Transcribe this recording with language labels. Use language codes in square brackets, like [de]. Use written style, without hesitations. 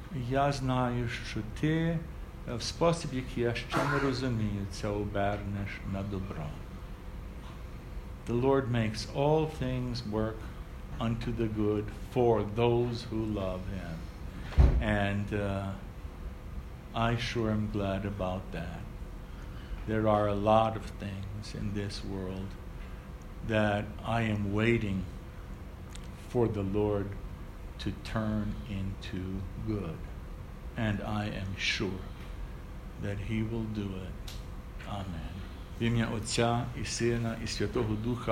[uk] Я знаю, що ти в спосіб, який я ще не розумію, це обернеш на добро. [en] The Lord makes all things work unto the good for those who love him. And I sure am glad about that. There are a lot of things in this world that I am waiting for the Lord to turn into good. And I am sure that he will do it. Amen. [uk] В ім'я Отця і Сина і Святого Духа.